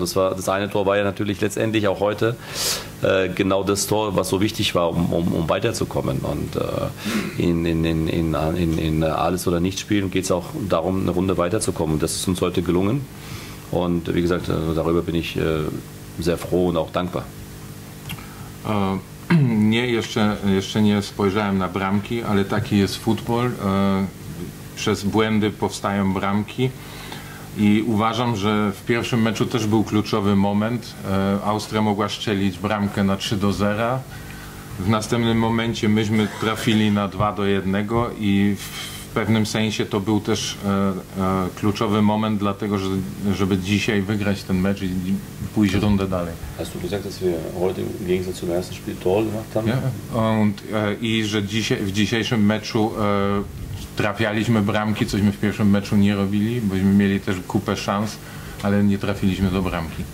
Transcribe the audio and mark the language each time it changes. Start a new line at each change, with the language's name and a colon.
German: Das eine Tor war ja natürlich letztendlich auch heute genau das Tor, was so wichtig war, um weiterzukommen. Und in Alles- oder Nichts-Spielen geht es auch darum, eine Runde weiterzukommen. Das ist uns heute gelungen. Und wie gesagt, darüber bin ich sehr froh und auch dankbar.
Polish: Nie, jeszcze nie spojrzałem na bramki, ale taki jest futbol. Przez błędy powstają bramki i uważam, że w pierwszym meczu też był kluczowy moment. Austria mogła strzelić bramkę na 3-0. W następnym momencie myśmy trafili na 2-1 i w pewnym sensie to był też kluczowy moment dlatego, żeby dzisiaj wygrać ten mecz i pójść rundę dalej.
German: Hast du gesagt, dass wir heute im Gegensatz zum ersten Spiel Tor gemacht haben?
Polish: I że w dzisiejszym meczu trafialiśmy bramki, cośmy w pierwszym meczu nie robili, bośmy mieli też kupę szans, ale nie trafiliśmy do bramki.